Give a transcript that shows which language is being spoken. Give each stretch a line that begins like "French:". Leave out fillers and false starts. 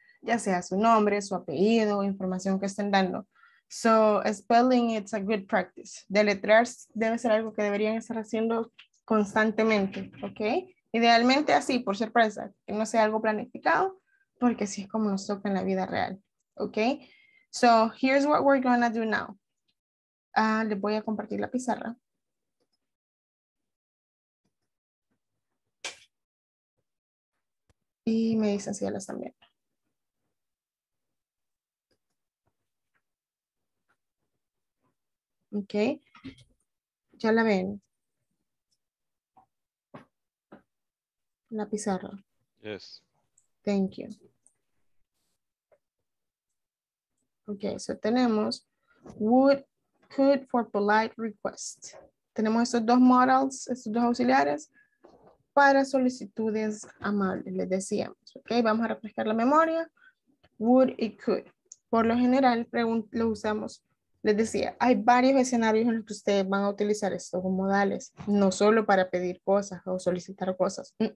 Spanish: Ya sea su nombre, su apellido, información que estén dando.
English: So, spelling, it's a good practice.
Spanish: Deletrear debe ser algo que deberían estar haciendo constantemente, ¿ok? Idealmente así, por sorpresa, que no sea algo planificado, porque así es como nos toca en la vida real, ¿ok?
English: So, here's what we're going to do now.
Spanish: Les voy a compartir la pizarra. Y me dicen si ya lo están viendo. Ok. Ya la ven. La pizarra.
English: Yes. Thank you. Okay, so
Spanish: tenemos
English: would, could for polite request.
Spanish: Tenemos estos dos models, estos dos auxiliares para solicitudes amables, les decíamos. Okay, vamos a refrescar la memoria. Would y could. Por lo general, lo usamos, les decía, hay varios escenarios en los que ustedes van a utilizar estos modales, no solo para pedir cosas o solicitar cosas.